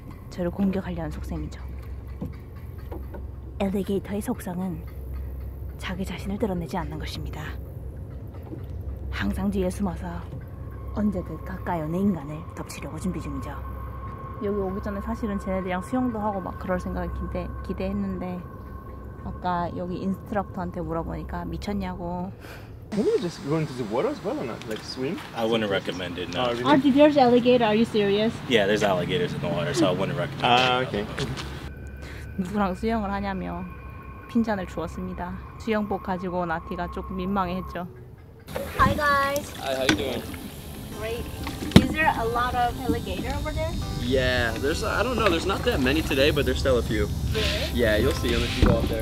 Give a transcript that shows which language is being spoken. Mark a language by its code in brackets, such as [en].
[ko] 저를 공격하려는 속셈이죠. 엘리베이터의 속성은 자기 자신을 드러내지 않는 것입니다. 항상 뒤에 숨어서 언제든 가까이 오는 인간을 덮치려고 준비 중이죠. 여기 오기 전에 사실은 쟤네들이랑 수영도 하고 막 그럴 생각을 기대했는데 아까 여기 인스트럭터한테 물어보니까 미쳤냐고. [en] Can you just go into the water as well or not? Like swim? I wouldn't recommend it, no. Oh, really? Auntie, there's alligator, are you serious? Yeah, there's alligators in the water, so I wouldn't recommend it. Ah, okay. [ko] 누구랑 수영을 하냐며 핀잔을 주었습니다. 수영복 가지고 온 아티가 조금 민망해했죠. [en] Hi, guys. Hi, how you doing? Great. Is there a lot of alligator over there? Yeah, there's, I don't know, there's not that many today, but there's still a few. Really? Yeah, you'll see them if you go up there.